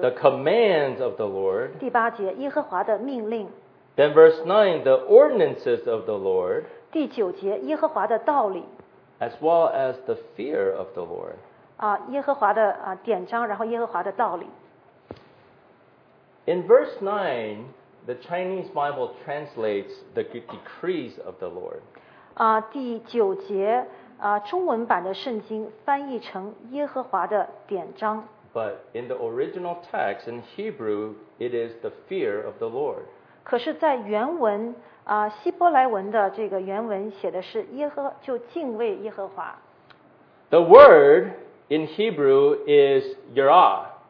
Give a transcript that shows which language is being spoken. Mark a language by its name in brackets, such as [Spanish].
[English] The commands of the Lord. [Chinese] 第八节，耶和华的命令。 [English] Then verse 9, the ordinances of the Lord. [Chinese] 第九节，耶和华的道理。 [English] As well as the fear of the Lord. [Chinese] 耶和华的典章, 然后耶和华的道理。 [English] In verse 9, the Chinese Bible translates the decrees of the Lord. [Chinese] 第九节, 中文版的圣经翻译成耶和华的典章。 [English] But in the original text, in Hebrew, it is the fear of the Lord. [Chinese] 可是在原文, 希伯来文的这个原文写的是耶和,就敬畏耶和华。 [English] The word in Hebrew is Yirah.